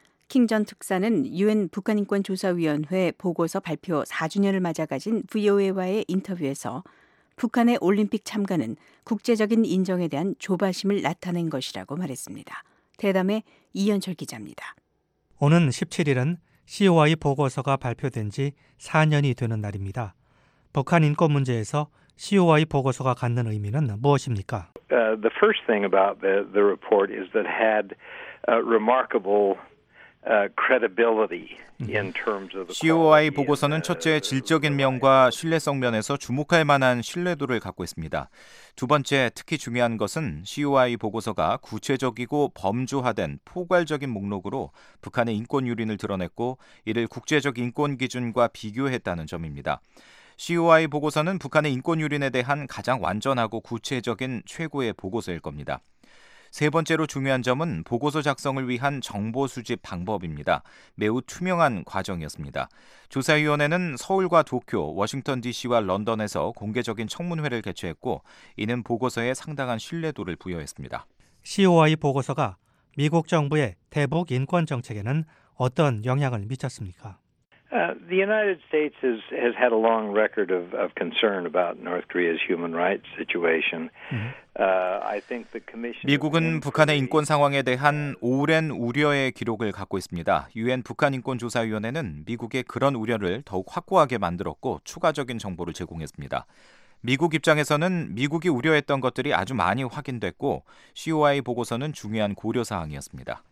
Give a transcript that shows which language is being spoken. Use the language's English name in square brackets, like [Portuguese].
[Korean] 킹 전 특사는 유엔 북한인권조사위원회 보고서 발표 4주년을 맞아 가진 VOA와의 인터뷰에서 북한의 올림픽 참가는 국제적인 인정에 대한 조바심을 나타낸 것이라고 말했습니다. 대담의 이현철 기자입니다. 오는 17일은 COI 보고서가 발표된 지 4년이 되는 날입니다. 북한 인권 문제에서 COI 보고서가 갖는 의미는 무엇입니까? [English] The first thing about the report is that had remarkable credibility in terms of the [Korean] COI 보고서는 첫째 질적인 면과 신뢰성 면에서 주목할 만한 신뢰도를 갖고 있습니다. 두 번째 특히 중요한 것은 COI 보고서가 구체적이고 범주화된 포괄적인 목록으로 북한의 인권 유린을 드러냈고 이를 국제적 인권 기준과 비교했다는 점입니다. COI 보고서는 북한의 인권 유린에 대한 가장 완전하고 구체적인 최고의 보고서일 겁니다. 세 번째로 중요한 점은 보고서 작성을 위한 정보 수집 방법입니다. 매우 투명한 과정이었습니다. 조사위원회는 서울과 도쿄, 워싱턴 DC와 런던에서 공개적인 청문회를 개최했고 이는 보고서에 상당한 신뢰도를 부여했습니다. COI 보고서가 미국 정부의 대북 인권 정책에는 어떤 영향을 미쳤습니까? [English] The United States has had a long record of concern about North Korea's human rights situation. I think the commission [Korean] 미국은 북한의 인권 상황에 대한 오랜 우려의 기록을 갖고 있습니다. 유엔 북한 인권 조사 위원회는 미국의 그런 우려를 더욱 확고하게 만들었고 추가적인 정보를 제공했습니다. 미국 입장에서는 미국이 우려했던 것들이 아주 많이 확인됐고 COI 보고서는 중요한 고려 사항이었습니다.